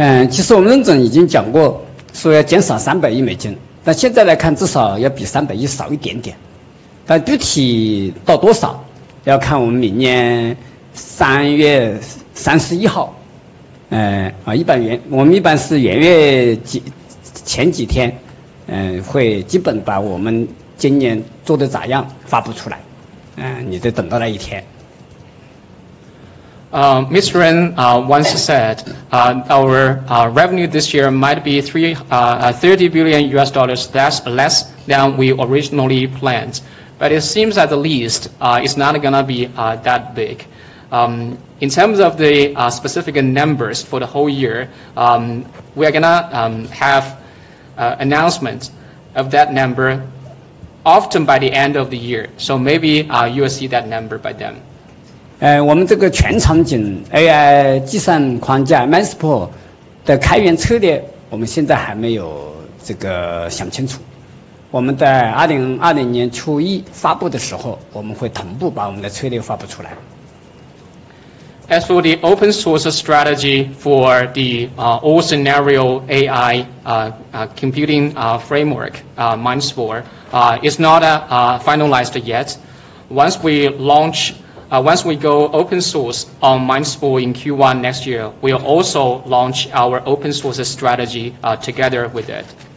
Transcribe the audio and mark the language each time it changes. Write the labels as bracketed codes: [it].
[zh] 其实我们总已经讲过说要减少$300亿，但现在来看至少要比$300亿少一点点，但具体到多少要看我们明年3月31号一般我们一般是元月前几天会基本把我们今年做的咋样发布出来，你得等到那一天。 [en] Ms. Ren once said our revenue this year might be $30 billion US dollars less than we originally planned. But it seems at the least it's not going to be that big. In terms of the specific numbers for the whole year, we are going to have announcement of that number often by the end of the year. So maybe you will see that number by then. [zh] 我们这个全场景 AI 计算框架 MindSpore 的开源策略，我们现在还没有这个想清楚。我们在2020年初一发布的时候，我们会同步把我们的策略发布出来。 [en] As for the open source strategy for the all scenario AI computing framework, MindSpore, is not finalized yet. Once we launch, once we go open source on MindSpore in Q1 next year, we'll also launch our open source strategy together with it.